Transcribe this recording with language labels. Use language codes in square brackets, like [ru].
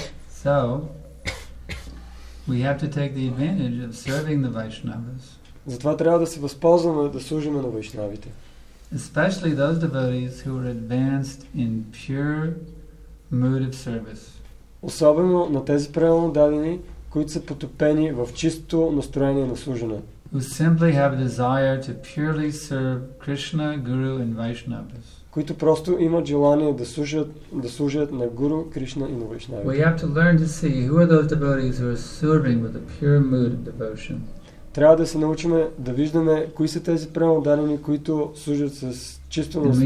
[en] So, we have to take the advantage of serving the Vaishnavas. [bg] Затова трябва да се възползваме да служим на Вайшнавите. [en] Especially those devotees who are advanced in pure mood of service. [bg] Особено на тези правилно дадени, които са потопени в чисто настроение на служене. [en] Who simply have a desire to purely serve Krishna, Guru and Vaishnavas. [bg] Които просто имат желание да служат на Гуру, Кришна и на Вайшнавите. [en] We have to learn to see who are those devotees who are serving with a pure mood of devotion. [bg] Трябва да се научим да виждаме кои са тези правилно дадени, които служат с чисто